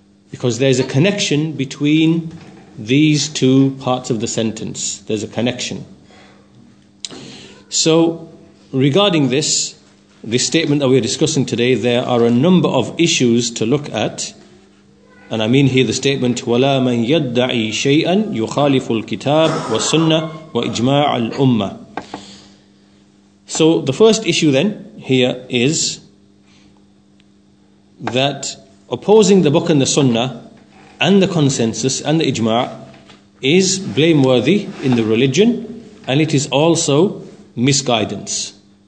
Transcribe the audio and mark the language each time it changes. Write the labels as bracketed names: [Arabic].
[English] Because there's a connection between these two parts of the sentence. There's a connection. So, regarding this, this statement that we're discussing today, there are a number of issues to look at. And I mean here the statement, [Arabic] وَلَا مَنْ يَدَّعِي شَيْئًا يُخَالِفُ الْكِتَابِ وَالسُنَّةِ وَإِجْمَاعَ الْأُمَّةِ. [English] So, the first issue then, here, is that opposing the book and the sunnah and the consensus and the ijma' is blameworthy in the religion, and it is also misguidance.